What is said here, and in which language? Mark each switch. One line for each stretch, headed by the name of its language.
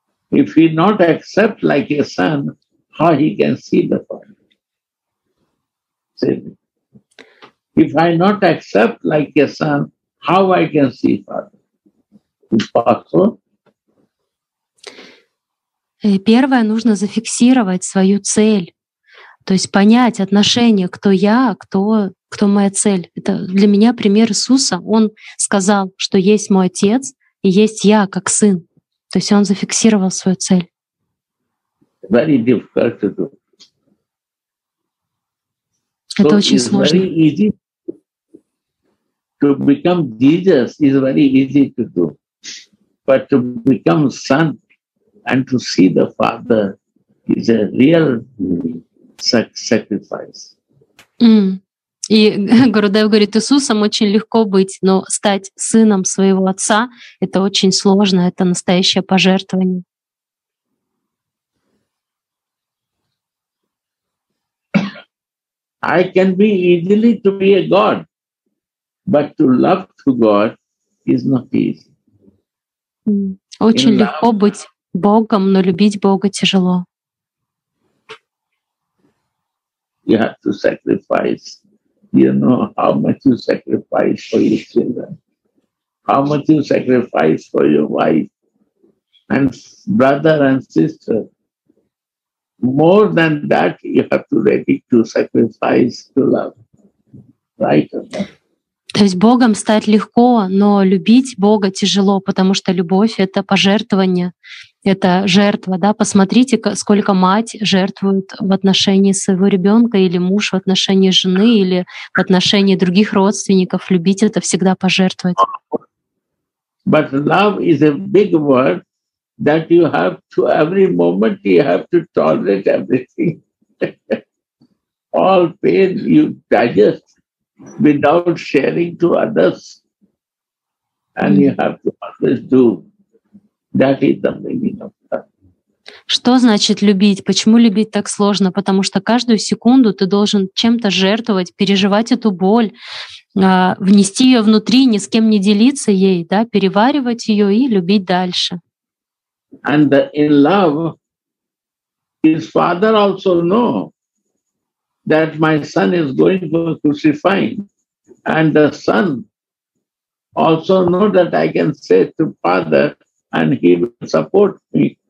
English: If he not accept like a son, how he can see the father? See? If I not accept like a son, how I can see Father? Impossible.
Russian: И первое, нужно зафиксировать свою цель, то есть понять отношение, кто я, кто моя цель. Это для меня пример Иисуса. Он сказал, что есть мой Отец и есть я, как Сын. То есть он зафиксировал свою цель.
English: Very difficult to do.
Russian: Это очень сложно.
English: To become Jesus is very easy to do, but to become Son and to see the Father is a real sacrifice.
Russian: И Гурудев говорит, Иисусом очень легко быть, но стать сыном своего Отца — это очень сложно, это настоящее пожертвование.
English: I can be easily to be a God. But to love to God is not easy.
Russian: Очень легко быть Богом, но любить Бога тяжело.
English: you have to sacrifice. You know how much you sacrifice for your children, how much you sacrifice for your wife and brother and sister. More than that, you have to ready to sacrifice to love. Right?
Russian: То есть Богом стать легко, но любить Бога тяжело, потому что любовь — это пожертвование, это жертва. Да? Посмотрите, сколько мать жертвует в отношении своего ребенка или муж в отношении жены или в отношении других родственников. Любить — это всегда пожертвовать.
English: But love is a big word that you have to every moment you have to tolerate everything. All pain you digest without sharing to others. And you have to always do. That is the meaning of that.
Russian: Что значит любить? Почему любить так сложно? Потому что каждую секунду ты должен чем-то жертвовать, переживать эту боль, внести ее внутри, ни с кем не делиться ей, да, переваривать ее и любить дальше.
English: And the, in love, his father also know that my son is going for crucifying. And the son also know that I can say to father and he will support me.